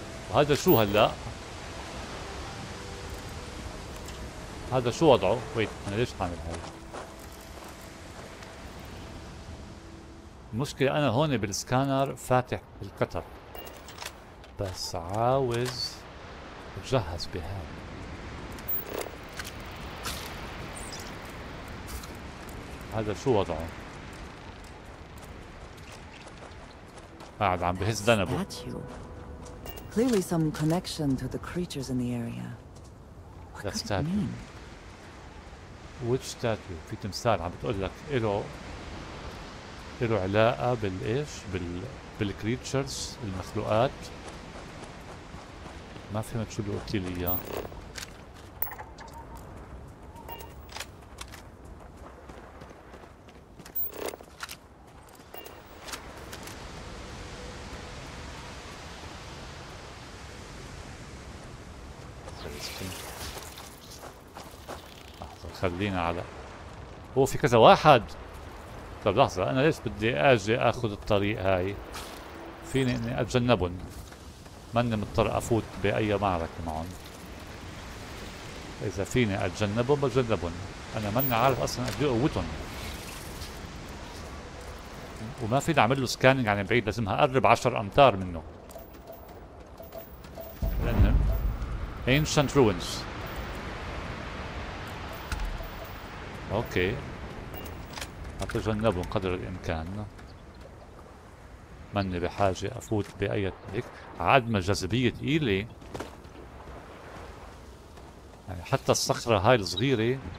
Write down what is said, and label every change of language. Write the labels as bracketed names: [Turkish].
[Arabic] وهذا شو هلا؟ هذا شو وضعه؟ ويت أنا ليش عامل هاي؟ المشكلة أنا هون بالسكانر فاتح القطر، بس عاوز أجهز بهاي. هذا شو وضعه؟ قاعد عم بهز ذنبه. [English] Clearly some connection to the creatures in the area. What that statue? Mean? Which statue? [Arabic] في تمثال عم بتقول لك إله علاقة بالإيش؟ بالcreatures المخلوقات. ما فهمت شو اللي قلت لي إياه. خلينا على هو في كذا واحد. طب لحظة أنا ليش بدي أجي أخذ الطريق هاي؟ فيني إني أتجنبهم، ماني مضطر أفوت بأي معركة معهم. إذا فيني أتجنبهم بتجنبهم، أنا ماني عارف أصلا قد إيه قوتهم. وما فيني أعمل له سكاننج يعني بعيد، لازمها أقرب 10 أمتار منه. لأنهم Ancient Ruins. اوكي هتجنبهم قدر الامكان، ماني بحاجة افوت باي هيك عدم جاذبية تقيلي، يعني حتى الصخرة هاي الصغيرة.